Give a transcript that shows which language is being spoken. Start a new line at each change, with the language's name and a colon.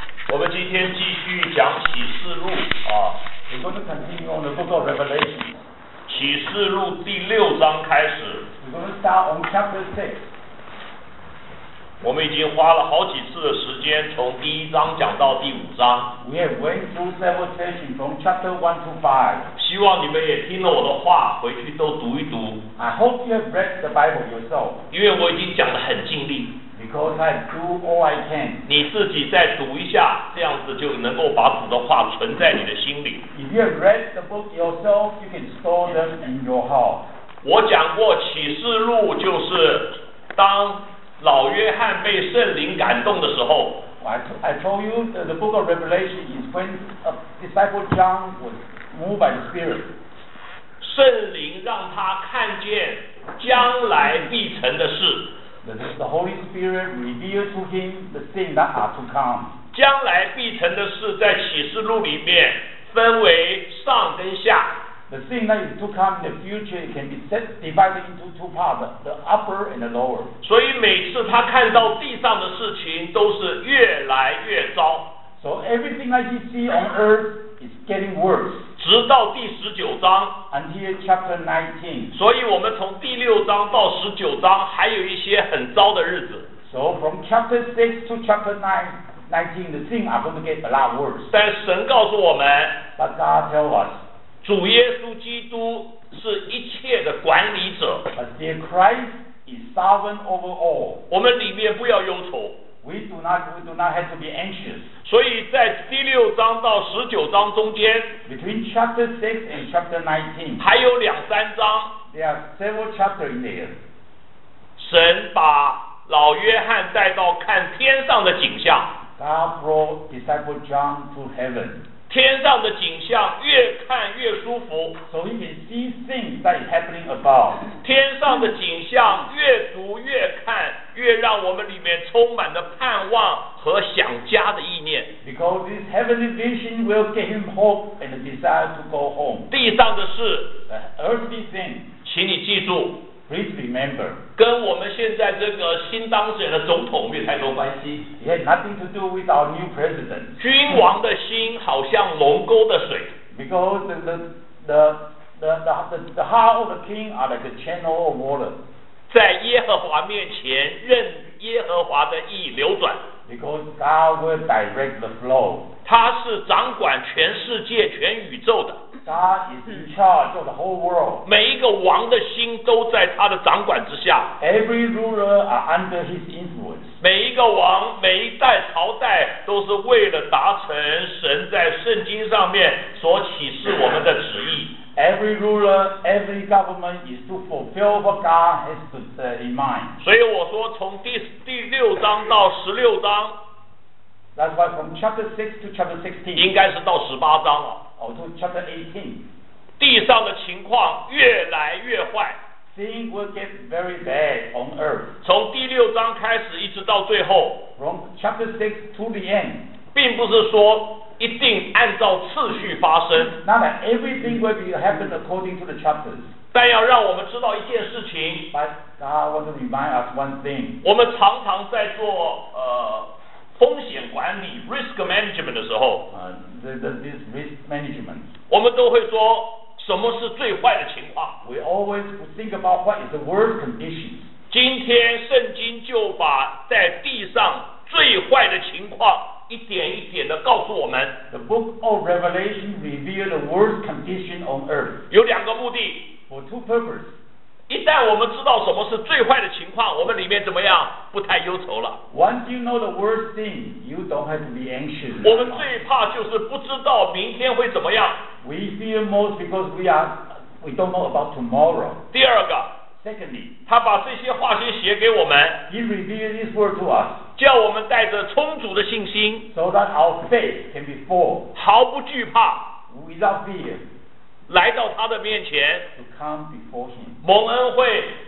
Chinese: 我们今天继续讲启示录啊。
English: We're going to continue on the book of Revelation.
Chinese: 启示录第六章开始。
English: We're going to start on chapter 6.
Chinese: 我们已经花了好几次的时间从第一章讲到第五章。
English: We have went through several sessions from chapter 1 to 5.
Chinese: 希望你们也听了我的话，回去都读一读。
English: I hope you have read the Bible yourself.
Chinese: 因为我已经讲得很尽力。
English: Because I do all I can.
Chinese: 你自己再读一下，这样子就能够把主的话存在你的心里。
English: If you have read the book yourself, you can store them in your heart.
Chinese: 我讲过启示录就是当老约翰被圣灵感动的时候。
English: I told you that the book of Revelation is when a disciple John was moved by the Spirit.
Chinese: 圣灵让他看见将来必成的事。
English: The Holy Spirit revealed to him the things that are to come.
Chinese: 将来必成的事在启示录里面分为上跟下。
English: The thing that is to come in the future can be divided into two parts, the upper and the lower.
Chinese: 所以每次他看到地上的事情都是越来越糟。
English: So everything that you see on earth is getting worse.
Chinese: 直到第十九章。
English: Until chapter 19.
Chinese: 所以我们从第六章到十九章还有一些很糟的日子。
English: So from chapter 6 to chapter 19, the things are going to get a lot worse.
Chinese: 但神告诉我们。
English: But God tells us.
Chinese: 主耶稣基督是一切的管理者。
English: But dear Christ is sovereign over all.
Chinese: 我们里面不要忧愁。
English: We do not have to be anxious.
Chinese: 所以在第六章到十九章中间
English: ，between chapter 6 and chapter 19,
Chinese: 还有两三章
English: ，there are several chapters in there.
Chinese: 神把老约翰带到看天上的景象
English: ，God brought disciple John to heaven.
Chinese: 天上的景象越看越舒服
English: ，so he can see things that is happening above.
Chinese: 天上的景象越读越看。越让我们里面充满了盼望和想家的意念。
English: Because this heavenly vision will give him hope and a desire to go home.
Chinese: 地上的事
English: ，the earthly thing，
Chinese: 请你记住
English: ，please remember，
Chinese: 跟我们现在这个新当选的总统没太多关系。
English: It has nothing to do with our new president.
Chinese: 君王的心好像龙沟的水。
English: Because the heart of the king are like a channel of water.
Chinese: 在耶和华面前任耶和华的意流转
English: Because God will direct the flow.
Chinese: 他是掌管全世界全宇宙的
English: God is in charge of the whole world.
Chinese: 每一个王的心都在他的掌管之下
English: Every ruler are under his influence.
Chinese: 每一个王每一代朝代都是为了达成神在圣经上面所启示我们的旨意
English: Every ruler, every government is to fulfill what God has to say in mind.
Chinese: 所以我说从第六章到十六章
English: That's why from chapter 6 to chapter 16
Chinese: 应该是到十八章了
English: Or to chapter 18
Chinese: 地上的情况越来越坏
English: Things will get very bad on earth.
Chinese: 从第六章开始一直到最后
English: From chapter 6 to the end
Chinese: 并不是说一定按照次序发生。
English: Not that everything will be happened according to the chapters.
Chinese: 但要让我们知道一件事情。
English: But God wants to remind us one thing.
Chinese: 我们常常在做风险管理 risk management 的时候。
English: This risk management.
Chinese: 我们都会说什么是最坏的情况。
English: We always think about what is the worst condition.
Chinese: 今天圣经就把在地上最坏的情况。一点一点的告诉我们
English: The book of Revelation reveals the worst condition on earth
Chinese: 有两个目的
English: For two purposes
Chinese: 一旦我们知道什么是最坏的情况我们里面怎么样不太忧愁了
English: Once you know the worst thing you don't have to be anxious
Chinese: 我们最怕就是不知道明天会怎么样
English: We fear most because we don't know about tomorrow
Chinese: 第二个
English: Secondly
Chinese: 他把这些话先写给我们
English: He revealed this word to us
Chinese: 叫我们带着充足的信心
English: so that our faith can be full,
Chinese: 毫不惧怕
English: without fear,
Chinese: 来到他的面前
English: to come before him,
Chinese: 蒙恩惠